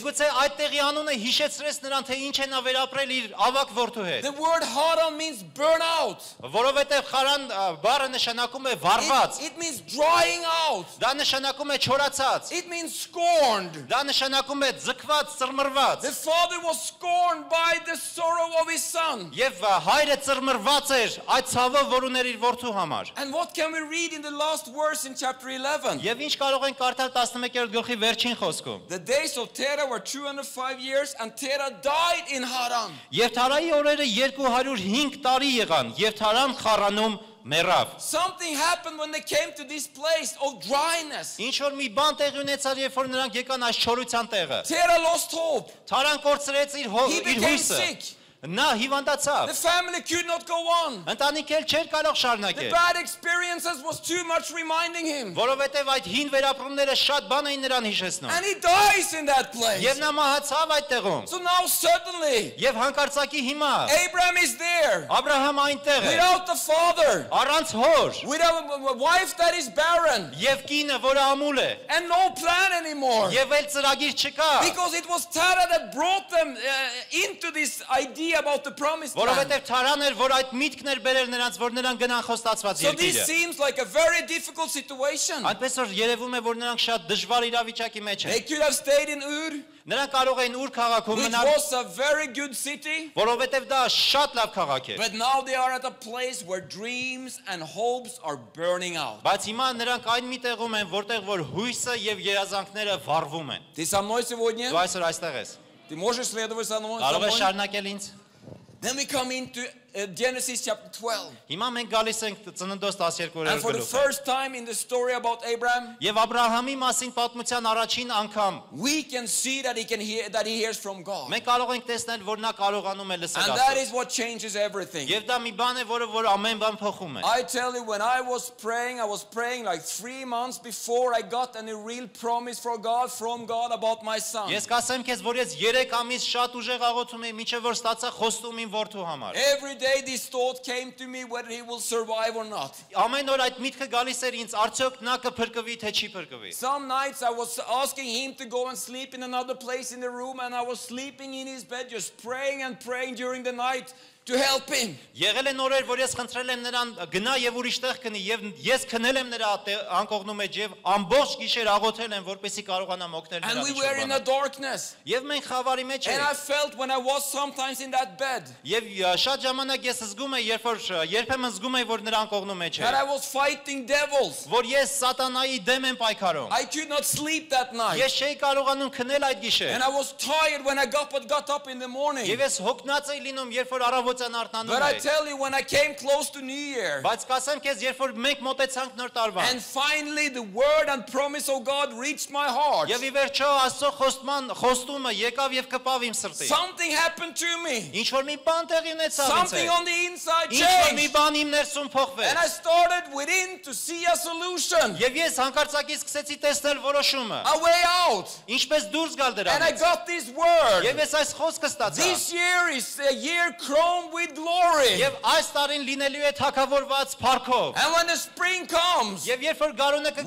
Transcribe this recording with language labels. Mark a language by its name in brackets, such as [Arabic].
[Armenian] Միգուցե այդ տեղի անունը հիշեցրեց նրան, թե ինչ են ավերապրել իր ավակ որդու հետ։ [English] The word Haran means burn out. [Armenian] Որովհետև Խարան բառը նշանակում է վառված։ [English] It means drying out. [Armenian] Դա նշանակում է չորացած։ [English] It means scorned. [Armenian] Դա նշանակում է ձգված, ծռմռված։ [English] The father was scorned by the son. Of his son. [Armenian] Հայրը ծռմռված էր այդ ցավը, որ ուներ իր որդու համար. [English] And what can we read in the last verse in chapter 11? [Armenian] Եվ ինչ կարող ենք կարդալ 11-րդ գլխի վերջին խոսքում? [English] The days of Terah were 205 years and Terah died in Haran. [Armenian] Եվ Թարայի օրերը 205 տարի եղան, եւ Թարան Խարանում մեռավ. [English] Something happened when they came to this place of dryness. [Armenian] Ինչ որ մի բան տեղի ունեցար, երբ որ նրանք եկան այս չորության տեղը. [English] Terah lost hope. [Armenian] Թարան կորցրեց իր հույսը. Նա հիվանդացավ։ [English] The family could not go on. [Armenian] Ընտանիքը չէր կարող շարունակել։ [English] The bad experiences was too much reminding him. [Armenian] Որովհետև այդ հին վերապրումները շատ բան էին նրան հիշեցնում։ [English] And he dies in that place. [Armenian] Եվ նա մահացավ այդտեղում։ [English] So now suddenly. [Armenian] Եվ հանկարծակի հիմա։ [English] Abraham is there. [Armenian] Աբราհամ այնտեղ է։ [English] Without the father. [Armenian] Առանց հոր։ [English] Without a wife that is barren. [Armenian] Եվ կինը, որը ամուլ է։ [English] And no plan anymore. [Armenian] Եվ այլ ծրագիր չկա։ [English] Because it was Terah that brought them into this idea. About the promised land. [Armenian] Որովհետև Թարան էր, որ այդ միտքն էր բերել նրանց, որ նրանք գնան խոստացված երկիրը. [English] So this seems like a very difficult situation. [Armenian] Այնպես որ երևում է, որ նրանք շատ դժվար իրավիճակի մեջ են. [English] They could have stayed in Ur. [Armenian] Նրանք կարող էին Ուր քաղաքում մնալ. [English] Which was a very good city. [Armenian] Որովհետև դա շատ լավ քաղաք էր. [English] But now they are at a place where dreams and hopes are burning out. [Armenian] Բայց հիմա նրանք այն մի տեղում են, որտեղ որ հույսը եւ երազանքները վառվում են. This is my сегодня. Դու այսօր այստեղ ես. [Russian] Ты можешь следовать за мной? Алло, шарнакел ինձ. [English] Then we come into Genesis chapter 12. [Armenian] Հիմա մենք գալիս ենք Ծննդոս 12-րդ գլուխը. [English] And for the first time in the story about Abraham. [Armenian] Եվ Աբราհամի մասին պատմության առաջին անգամ. [English] We can see that he can hear that he hears from God. [Armenian] Մենք կարող ենք տեսնել, որ նա կարողանում է լսել Աստծո։ [English] And that is what changes everything. [Armenian] Եվ դա մի բան է, որը որ ամեն բան փոխում է։ [English] I tell you, when I was praying like 3 months before I got any real promise from God about my son. [Armenian] Ես կասեմ քեզ, որ ես 3 ամիս շատ ուժեղ աղոթում էի, մինչև որ ստացա խոստում իմ որդու համար։ [English] Every day this thought came to me whether he will survive or not. [Armenian] Ամեն օր այդ միտքը գալիս էր ինձ, արդյոք նա կփրկվի թե չի փրկվի. [English] Some nights I was asking him to go and sleep in another place in the room and I was sleeping in his bed just praying and praying during the night. To help him. [Armenian] Եղել են օրեր, որ ես խնդրել եմ նրան գնա եւ ուրիշտեղ քնի եւ ես քնել եմ նրա անկողնու մեջ եւ ամբողջ գիշեր աղոթել եմ, որպեսզի կարողանամ օգնել նրան։ [English] And we were in a darkness. [Armenian] Եվ մենք խավարի մեջ էինք։ [English] And I felt when I was sometimes in that bed. [Armenian] Եվ շատ ժամանակ ես զգում եմ, երբ որ երբեմն զգում եմ, որ նրա անկողնու մեջ է։ [English] I was fighting devils. [Armenian] Որ ես սատանայի դեմ եմ պայքարում։ [English] I could not sleep that night. [Armenian] Ես չէի կարողանում քնել այդ գիշեր։ [English] And I was tired when I got up in the morning. [Armenian] Եվ ես հոգնած էի լինում, երբ որ առավոտ [English] But I tell you, when I came close to New Year, [Armenian] բայց կասեմ քեզ, երբ որ մենք մոտեցանք նոր տարվան, [English] and finally the word and promise of God reached my heart. [Armenian] Եվ ի վերջո Աստծո խոստումը եկավ եւ կպավ իմ սրտին. [English] Something happened to me. [Armenian] Ինչ որ մի բան տեղի ունեցավ ինձ. [English] Something on the inside changed. [Armenian] Ինչ որ մի բան իմ ներսում փոխվեց. [English] And I started within to see a solution. [Armenian] Եվ ես հանկարծակի սկսեցի տեսնել որոշումը. [English] A way out. [Armenian] Ինչպես դուրս գալ դրանից. [English] And I got this word. [Armenian] Եվ ես այս խոսքը ստացա. [English] This year is a year crowned crowned with glory. [Armenian] Եվ այս տարին լինելու է թակավորված փառքով. [English] And when the spring comes, [Armenian] Եվ երբ որ գարունը կգա,